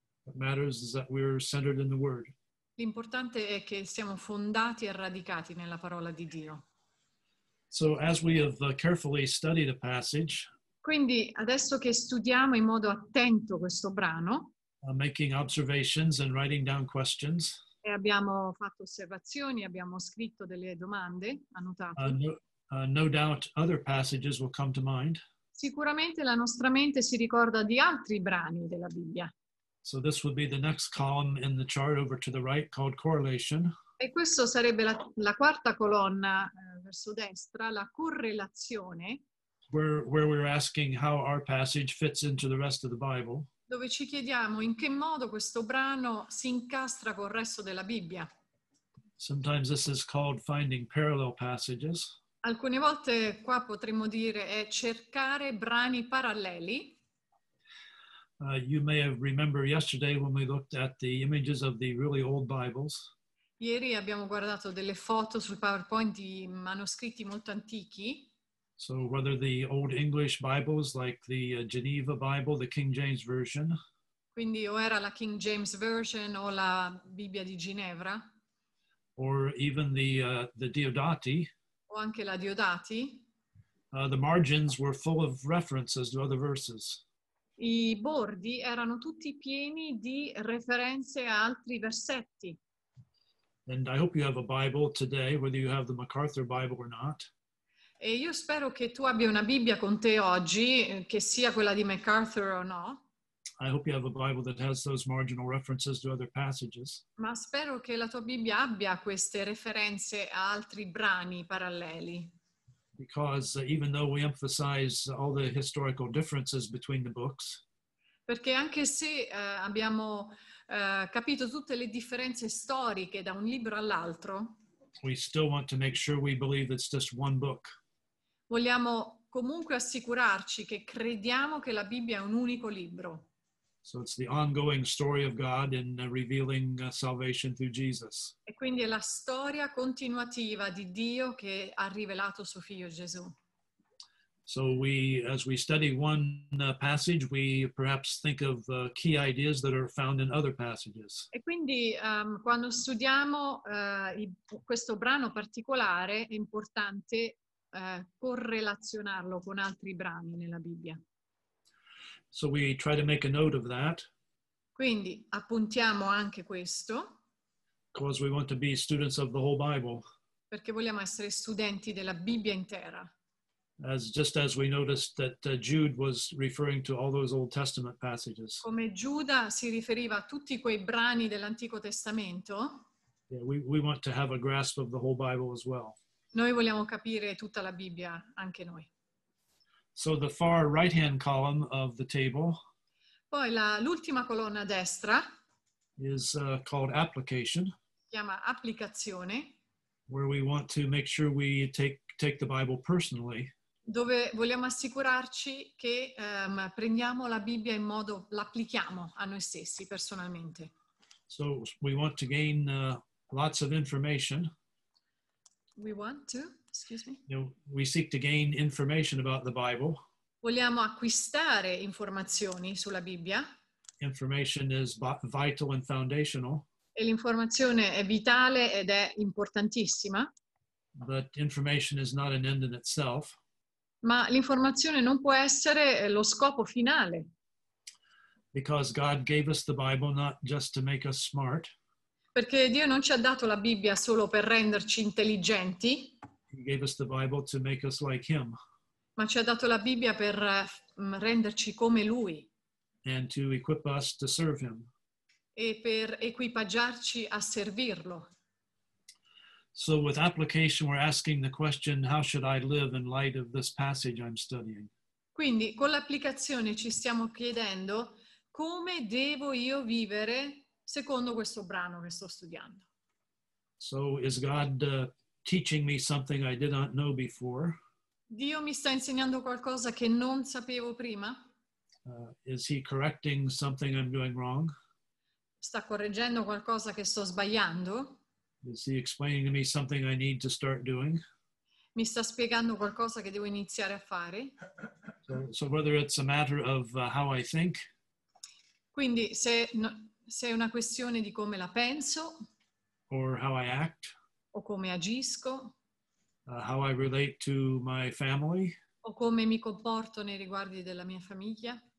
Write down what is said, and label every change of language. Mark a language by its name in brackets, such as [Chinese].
[English] What matters is that we're centered in the Word. [Italian] L'importante è che siamo fondati e radicati nella parola di Dio. [English] So as we have carefully studied a passage. [Italian] Quindi adesso che studiamo in modo attento questo brano. [English] Making observations and writing down questions. [Italian] E abbiamo fatto osservazioni, abbiamo scritto delle domande, annotato. [English] No doubt other passages will come to mind. [Italian] Sicuramente la nostra mente si ricorda di altri brani della Bibbia. [English] So this would be the next column in the chart over to the right called correlation. [Italian] E questo sarebbe la quarta colonna verso destra, la correlazione. [English] Where we're asking how our passage fits into the rest of the Bible. [Italian] Dove ci chiediamo in che modo questo brano si incastra col resto della Bibbia. [English] Sometimes this is called finding parallel passages. [Italian] Alcune volte qua potremmo dire è cercare brani paralleli. [English] You may have remembered yesterday when we looked at the images of the really old Bibles. [Italian] Ieri abbiamo guardato delle foto sul PowerPoint di manoscritti molto antichi. [English] So whether the old English Bibles, like the Geneva Bible, the King James Version. [Italian] Quindi o era la King James Version o la Bibbia di Ginevra. [English] Or even the Diodati. [Italian] O anche la Diodati. [English] The margins were full of references to other verses. [Italian] I bordi erano tutti pieni di referenze a altri versetti. [English] And I hope you have a Bible today, whether you have the MacArthur Bible or not. [Italian] E io spero che tu abbia una Bibbia con te oggi, che sia quella di MacArthur o no. [English] I hope you have a Bible that has those marginal references to other passages. [Italian] Ma spero che la tua Bibbia abbia queste referenze a altri brani paralleli. [English] Because even though we emphasize all the historical differences between the books. [Italian] Perché anche se abbiamo capito tutte le differenze storiche da un libro all'altro. [English] We still want to make sure we believe it's just one book. [Italian] Vogliamo comunque assicurarci che crediamo che la Bibbia è un unico libro. [English] So it's the ongoing story of God in revealing salvation through Jesus. [Italian] E quindi è la storia continuativa di Dio che ha rivelato suo figlio Gesù. [English] So we, as we study one passage, we perhaps think of key ideas that are found in other passages. [Italian] E quindi quando studiamo questo brano particolare, è importante correlazionarlo con altri brani nella Bibbia. [English] So we try to make a note of that. [Italian] Quindi appuntiamo anche questo. [English] Because we want to be students of the whole Bible. [Italian] Perché vogliamo essere studenti della Bibbia intera. [English] As just as we noticed that Jude was referring to all those Old Testament passages. [Italian] Come Giuda si riferiva a tutti quei brani dell'Antico Testamento. [English] Yeah, we want to have a grasp of the whole Bible as well. [Italian] Noi vogliamo capire tutta la Bibbia anche noi. [English] So the far right-hand column of the table. [Italian] Poi l'ultima colonna a destra. [English] Is called application. [Italian] Si chiama applicazione. [English] Where we want to make sure we take the Bible personally. [Italian] Dove vogliamo assicurarci che prendiamo la Bibbia in modo l'applichiamo a noi stessi personalmente. [English] So we want to gain lots of information. We want to, excuse me. You know, we seek to gain information about the Bible. [Italian] Vogliamo acquistare informazioni sulla Bibbia. [English] Information is vital and foundational. [Italian] E l'informazione è vitale ed è importantissima. [English] But information is not an end in itself. [Italian] Ma l'informazione non può essere lo scopo finale. [English] Because God gave us the Bible not just to make us smart. [Italian] Perché Dio non ci ha dato la Bibbia solo per renderci intelligenti. [English] He gave us the Bible to make us like him. [Italian] Ma ci ha dato la Bibbia per renderci come Lui. [English] And to equip us to serve him. [Italian] E per equipaggiarci a servirlo. [English] So with application we're asking the question, how should I live in light of this passage I'm studying? [Italian] Quindi con l'applicazione ci stiamo chiedendo come devo io vivere secondo questo brano che sto studiando. [English] So is God teaching me something I did not know before? [Italian] Dio mi sta insegnando qualcosa che non sapevo prima? [English] Is he correcting something I'm doing wrong? [Italian] Sta correggendo qualcosa che sto sbagliando? [English] Is he explaining to me something I need to start doing? [Italian] Mi sta spiegando qualcosa che devo iniziare a fare? [English] So whether it's a matter of how I think. [Italian] Quindi se è una questione di come la penso. [English] Or how I act. [Italian] O come agisco. [English] How I relate to my family. [Italian] O come mi comporto nei riguardi della mia famiglia.